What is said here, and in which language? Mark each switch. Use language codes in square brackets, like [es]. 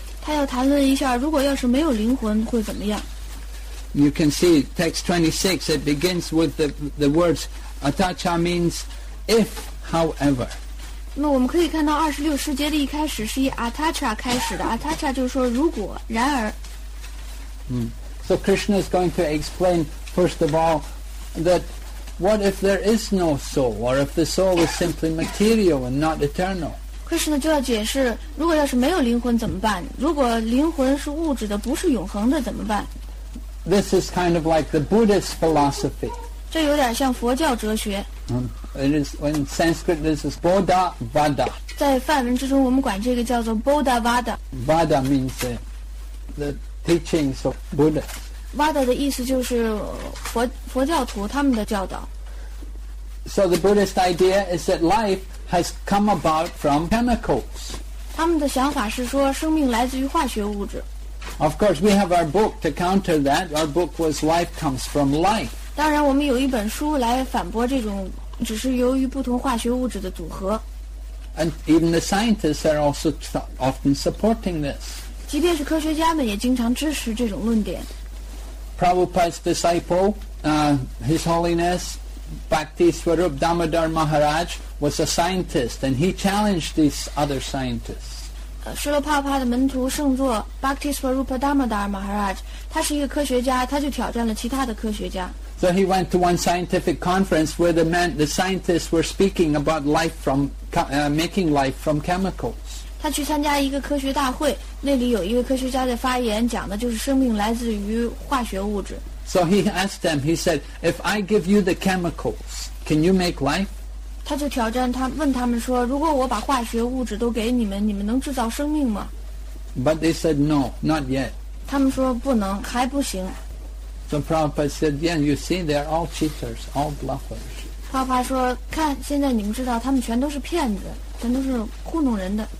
[zh] 他要谈论一下，如果要是没有灵魂会怎么样 [en] ？You can see text 26. It begins with the words "atacha" means if, however. [zh] 那我们可以看到二十六世节的一开始是以 Atacha 开始的 Atacha 就是说如果然而、 [en] So Krishna is going to explain first of all that what if there is no soul or if the soul is simply material and not eternal [zh] Krishna 就要解释如果要是没有灵魂怎么办如果灵魂是物质的不是永恒的怎么办 [en] this is kind of like the Buddhist philosophy. [zh] 这有点像佛教哲学。 [en] It is, in Sanskrit, this is Bodhavada. [zh] 在梵文之中，我们管这个叫做 Bodhavada. [en] Vada means the teachings of Buddha. [zh] Vada 的意思就是佛教徒他们的教导。 [en] So the Buddhist idea is that life has come about from chemicals. [zh] 他们的想法是说生命来自于化学物质。 [en] Of course, we have our book to counter that. Our book was Life Comes From Life. [zh] 当然我们有一本书来反驳这种只是由于不同化学物质的组合。 [en] And even the scientists are also often supporting this. [zh] 即便是科学家们也经常支持这种论点。 [en] Prabhupada's disciple, His Holiness,Bhakti Swarup Damodar Maharaj was a scientist and he challenged these other scientists. [zh] 释迦牟尼佛的门徒圣座 Bhakti Swarup Damodar Maharaj 他是一个科学家他就挑战了其他的科学家。 [en] So he went to one scientific conference where the scientists were speaking about life from, making life from chemicals. [zh] 他去参加一个科学大会那里有一个科学家在发言讲的就是生命来自于化学物质。 [en] So he asked them, he said, if I give you the chemicals, can you make life? [zh] 他就挑战他问他们说如果我把化学物质都给你们你们能制造生命吗 [en] But they said, no, not yet. [zh] 他们说不能还不行 [en] So Prabhupada said, yeah, you see, they're all cheaters, all bluffers. [zh] Prabhupada 说看现在你们知道他们全都是骗子全都是糊弄人的